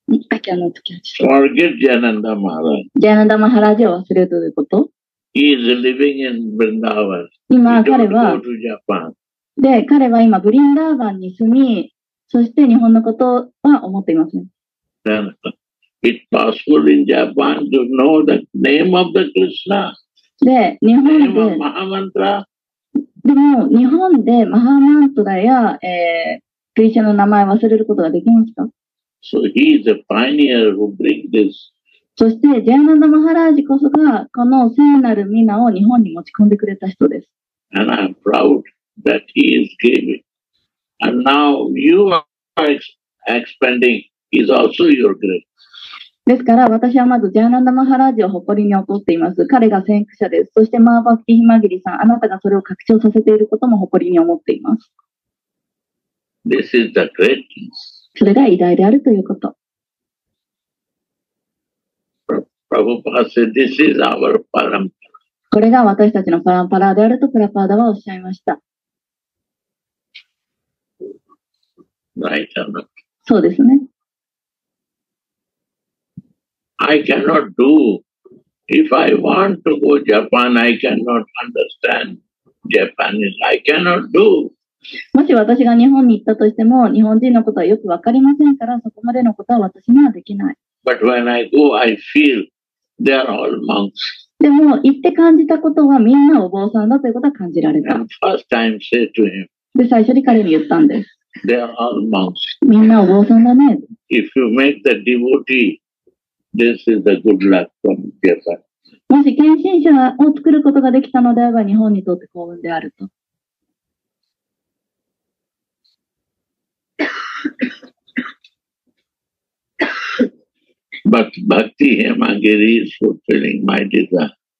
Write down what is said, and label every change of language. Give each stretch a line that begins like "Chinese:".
English: Forget Jananda Maharaj.
Japanese: Jananda Maharaj を忘れるということ。
English: He is living in Vrindavan.
Japanese: 今彼は、
English: go to Japan.
Japanese: で、彼は今、ブリンダーバンに住み、そして日本のことは思っていません。
English: Then, it's possible in Japan to know the name of the Krishna.
Japanese: で、日本で、
English: name of Mahamantra.
Japanese: でも、日本でマハマントラや、クリシャの名前を忘れることができますか？
English: So he is a pioneer who bring this.
Japanese: そしてジャイナンダマハラージこそがこの聖なるミナを日本に持ち込んでくれた人です。
English: And I'm proud that he is giving. And now you are expanding. He's also your great.
Japanese: ですから私はまずジャイナンダマハラージを誇りに誇っています。彼が先駆者です。そしてマーバクティヒマギリさん、あなたがそれを拡張させていることも誇りに思っています。
English: This is the greatness.
Japanese: それが偉大であるということ。
English: Prabhupada said, this is our parampara.
Japanese: これが私たちのパランパラであるとプラパーダはおっしゃいました。
English: Right.
Japanese: そうですね。
English: I cannot do. If I want to go to Japan, I cannot understand Japanese. I cannot do.
Japanese: もし私が日本に行ったとしても、日本人のことはよくわかりませんから、そこまでのことは私にはできない。
English: But when I go, I feel they are all monks.
Japanese: でも、行って感じたことはみんなお坊さんだということは感じられた。
English: And first time say to him,
Japanese: で、最初に彼に言ったんです。
English: They are all monks.
Japanese: みんなお坊さんだね。
English: If you make the devotee, this is the good luck from Japan.
Japanese: もし献身者を作ることができたのであれば、日本にとって幸運であると。
English: But Bhakti Himagiri is fulfilling my desire.